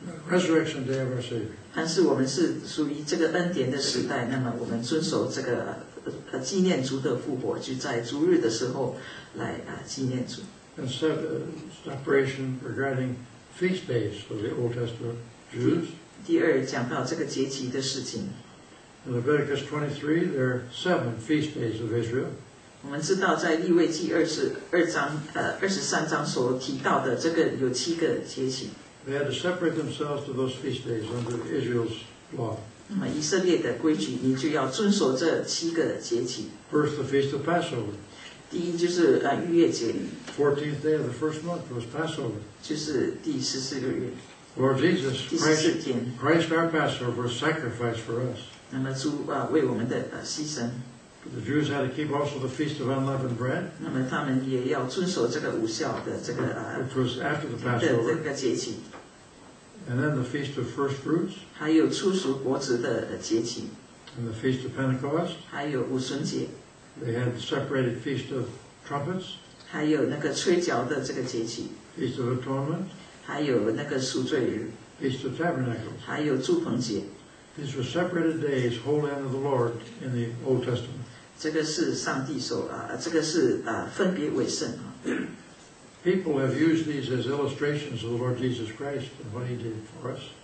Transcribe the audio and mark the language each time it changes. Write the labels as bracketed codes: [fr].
[en] Resurrection Day of our Savior. [zh] 但是我们是属于这个恩典的时代，那么我们遵守这个纪念主的复活，就在主日的时候来纪念主。 [en] And separation regarding feast days for the Old Testament Jews. [zh] 第二讲到这个节期的事情。 [en] In Leviticus 23, there are seven feast days of Israel. [zh] 我们知道在利未记23章所提到的这个有七个节期。 [en] They had to separate themselves to those feast days under Israel's law. [zh] 那么以色列的规矩，你就要遵守这七个节期。 [en] First, the feast of Passover. [zh] 第一就是逾越节。 [en] 14th day of the first month was Passover. [zh] 就是第十四个月。 [en] Lord Jesus, [zh] 第十四天。 [en] Christ our Passover was sacrificed for us. [zh] 那么主为我们的牺牲。 [en] The Jews had to keep also the Feast of Unleavened Bread. [zh] 那么他们也要遵守这个无酵的这个 [en] Which was after the Passover. [zh] 这个节期。 [en] And then the Feast of First Fruits. [zh] 还有初熟果子的节期。 [en] And the Feast of Pentecost. [zh] 还有五旬节。 [en] They had the separated Feast of Trumpets. [zh] 还有那个吹角的这个节期。 [en] Feast of Atonement. [zh] 还有那个赎罪日。 [en] Feast of Tabernacles. [zh] 还有祝棚节。 [en] These were separated days, holy unto the Lord, in the Old Testament. [zh] 这个是上帝所这个是分别为圣啊。 [en] People have used these as illustrations of the Lord Jesus Christ and what He did for us.